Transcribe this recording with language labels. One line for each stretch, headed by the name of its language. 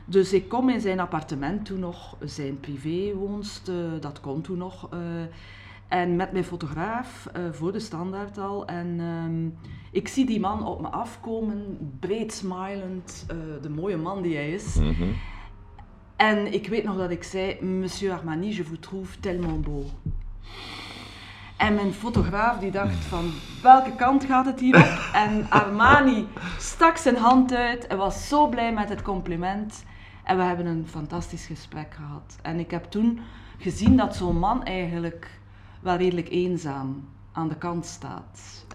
Dutch: Dus ik kom in zijn appartement toen nog, zijn privéwoonst, dat kon toen nog. En met mijn fotograaf, voor de Standaard al. En ik zie die man op me afkomen, breed smilend, de mooie man die hij is. Uh-huh. En ik weet nog dat ik zei,
French: monsieur Armani, je vous trouve tellement beau.
Dutch: En mijn fotograaf die dacht van, welke kant gaat het hier op? En Armani stak zijn hand uit en was zo blij met het compliment. En we hebben een fantastisch gesprek gehad. En ik heb toen gezien dat zo'n man eigenlijk wel redelijk eenzaam aan de kant staat.